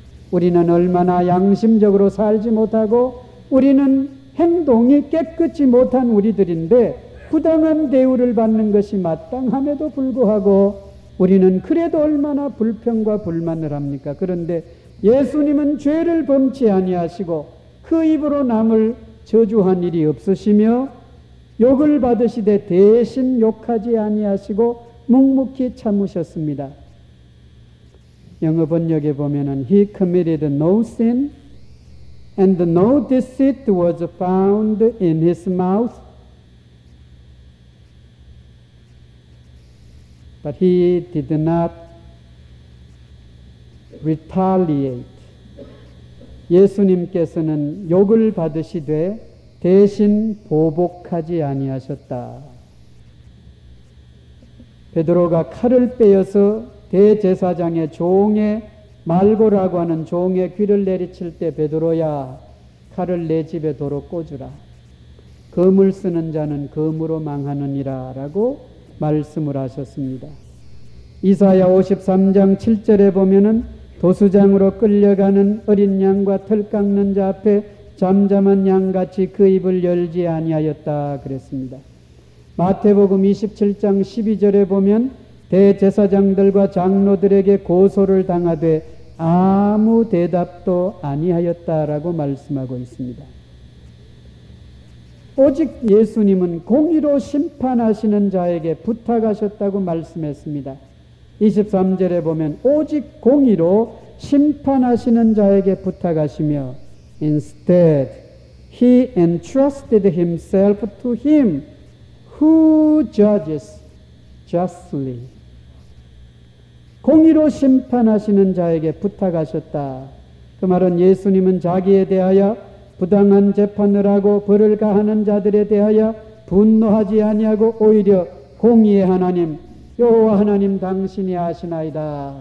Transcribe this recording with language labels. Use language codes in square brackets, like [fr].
[ko] 우리는 얼마나 양심적으로 살지 못하고 우리는 행동이 깨끗이 못한 우리들인데 부당한 대우를 받는 것이 마땅함에도 불구하고 우리는 그래도 얼마나 불평과 불만을 합니까? 그런데 예수님은 죄를 범치 아니하시고 그 입으로 남을 저주한 일이 없으시며 욕을 받으시되 대신 욕하지 아니하시고 묵묵히 참으셨습니다. 영어 번역에 보면은 [en] He committed no sin and no deceit was found in his mouth. But he did not retaliate. [ko] 예수님께서는 욕을 받으시되 대신 보복하지 아니하셨다. 베드로가 칼을 빼어서 대제사장의 종의 말고라고 하는 종의 귀를 내리칠 때 베드로야 칼을 내 집에 도로 꽂으라. 금을 쓰는 자는 금으로 망하느니라 라고 말씀을 하셨습니다. 이사야 53장 7절에 보면은 도수장으로 끌려가는 어린 양과 털 깎는 자 앞에 잠잠한 양같이 그 입을 열지 아니하였다 그랬습니다. 마태복음 27장 12절에 보면 대제사장들과 장로들에게 고소를 당하되 아무 대답도 아니하였다라고 말씀하고 있습니다. 오직 예수님은 공의로 심판하시는 자에게 부탁하셨다고 말씀했습니다. 23절에 보면 오직 공의로 심판하시는 자에게 부탁하시며 [en] Instead, he entrusted himself to him who judges justly. [ko] 공의로 심판하시는 자에게 부탁하셨다. 그 말은 예수님은 자기에 대하여 부당한 재판을 하고 벌을 가하는 자들에 대하여 분노하지 아니하고 오히려 공의의 하나님 여호와 하나님 당신이 아시나이다.